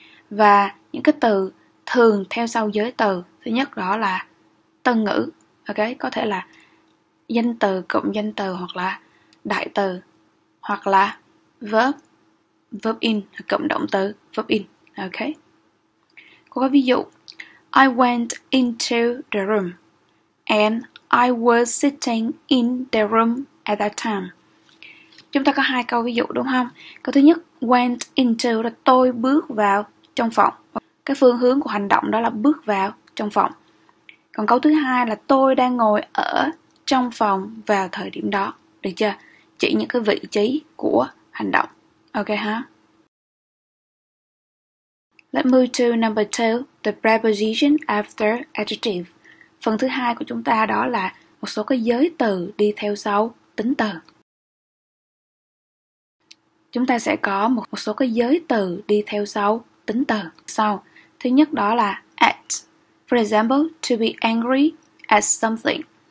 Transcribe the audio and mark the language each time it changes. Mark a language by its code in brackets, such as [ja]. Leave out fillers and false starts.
[vi] Và những cái từ thường theo sau giới từ, thứ nhất đó là tân ngữ. Ok? Có thể là danh từ, cụm danh từ hoặc là đại từ hoặc là verb, verb in, cụm động từ, verb in. Ok? Có ví dụ, [en] I went into the room and I was sitting in the room at that time. [vi] Chúng ta có hai câu ví dụ đúng không? Câu thứ nhất, [en] went into [vi] là tôi bước vào trong phòng. Cái phương hướng của hành động đó là bước vào trong phòng. Còn câu thứ hai là tôi đang ngồi ở trong phòng vào thời điểm đó. Được chưa? Chỉ những cái vị trí của hành động. Ok ha? [en] Let's move to number 2, the preposition after adjective. [vi] Phần thứ hai của chúng ta đó là một số cái giới từ đi theo sau tính từ. Chúng ta sẽ có một số cái giới từ đi theo sau tính từ sau. Thứ nhất đó là at. [en] For example, to be angry at something.